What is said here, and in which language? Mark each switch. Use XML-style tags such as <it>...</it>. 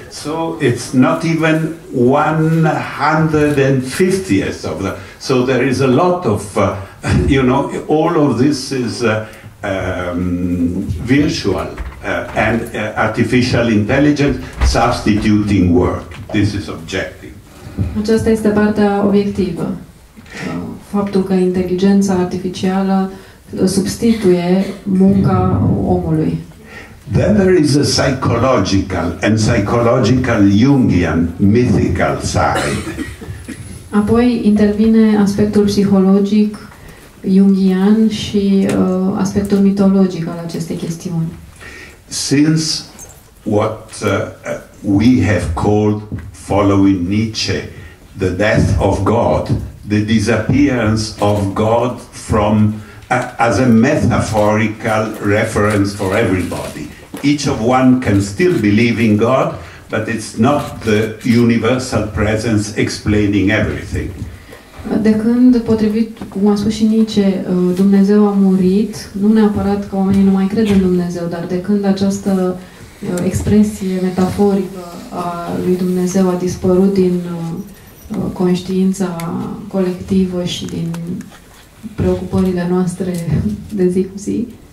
<en>So it's not even 150th of the. So there is a lot of, you know, all of this is virtual and artificial intelligence substituting work. This is objective.</en> <ro>Aceasta este partea obiectivă. Faptul că inteligența artificială substituie munca omului.</ro> <en>Then there is a psychological and psychological Jungian mythical side.</en> <ro>Apoi intervine aspectul psihologic Jungian și aspectul mitologic al acestei chestiuni.</ro> <en>Since what we have called, following Nietzsche, the death of God, the disappearance of God from as a metaphorical reference for everybody. Each of one can still believe in God, but it's not the universal presence explaining everything.</en> <ro>De când, potrivit, cum a spus și Nietzsche, Dumnezeu a murit, nu neapărat că oamenii nu mai cred în Dumnezeu, dar de când această expresie metaforică a lui Dumnezeu a dispărut din conștiința colectivă și din preocupările noastre de zi cu zi.</ro>